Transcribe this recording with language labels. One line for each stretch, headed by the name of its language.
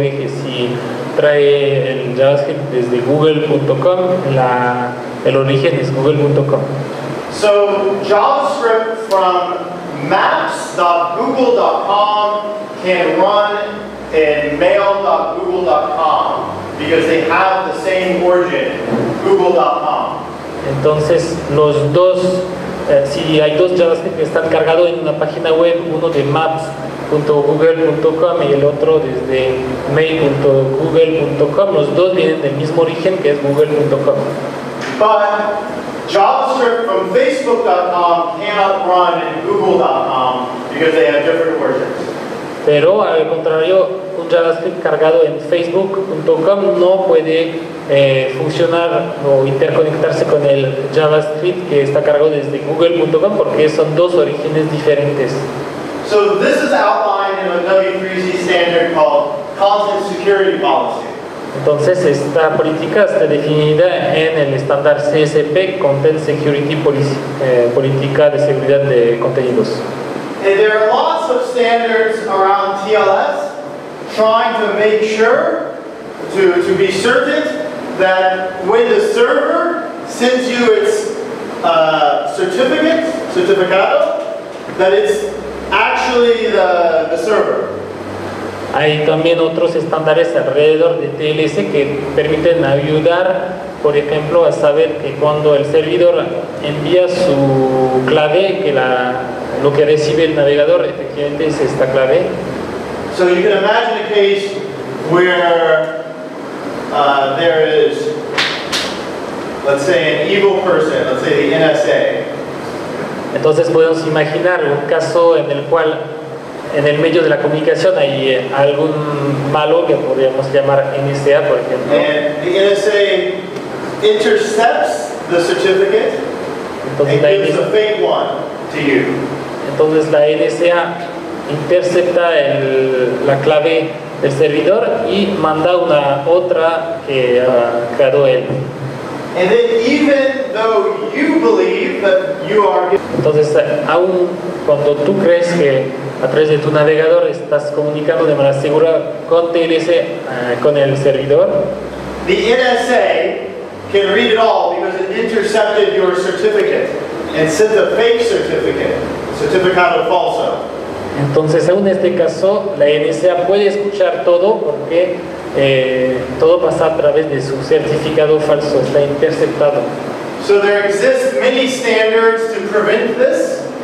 Spanish: Si trae el JavaScript desde google.com, el origen es google.com.
English: So JavaScript from maps.google.com can run in mail.google.com because they have the same origin, google.com.
Spanish: Entonces los dos, si hay dos JavaScript que están cargados en una página web, uno de maps .google.com y el otro desde mail.google.com. Los dos vienen del mismo origen, que es google.com.
English: But JavaScript from facebook.com cannot run in google.com because they have different versions.
Spanish: Pero al contrario, un JavaScript cargado en facebook.com no puede funcionar o interconectarse con el JavaScript que está cargado desde google.com porque son dos orígenes diferentes.
English: So this is outlined in a W3C standard called Content Security Policy.
Spanish: Entonces esta política está definida en el estándar CSP Content Security Policy, política de seguridad de contenidos.
English: And there are lots of standards around TLS trying to make sure to be certain that when the server sends you its certificado, that it's actually the server.
Spanish: Hay también otros estándares alrededor de TLS que permiten ayudar, por ejemplo, a saber que cuando el servidor envía su clave, que lo que recibe el navegador efectivamente es esta clave.
English: So you can imagine a case where there is, let's say, an evil person, let's say the NSA.
Spanish: Entonces podemos imaginar un caso en el cual en el medio de la comunicación hay algún malo que podríamos llamar NSA, por ejemplo.
English: And the NSA intercepts the certificate.
Spanish: Entonces,
English: and gives a fake one to you.
Spanish: Entonces la NSA intercepta la clave del servidor y manda una otra que ha creado él.
English: And then even though you believe that you are...
Spanish: Entonces, aún cuando tú crees que a través de tu navegador estás comunicando de manera segura con TLS, con el servidor,
English: the NSA can read it all because it intercepted your certificate and sent a fake certificate,
Spanish: certificado falso. Entonces, aún en este caso, la NSA puede escuchar todo porque todo pasa a través de su certificado falso, está interceptado.
English: So there exist many standards to prevent this.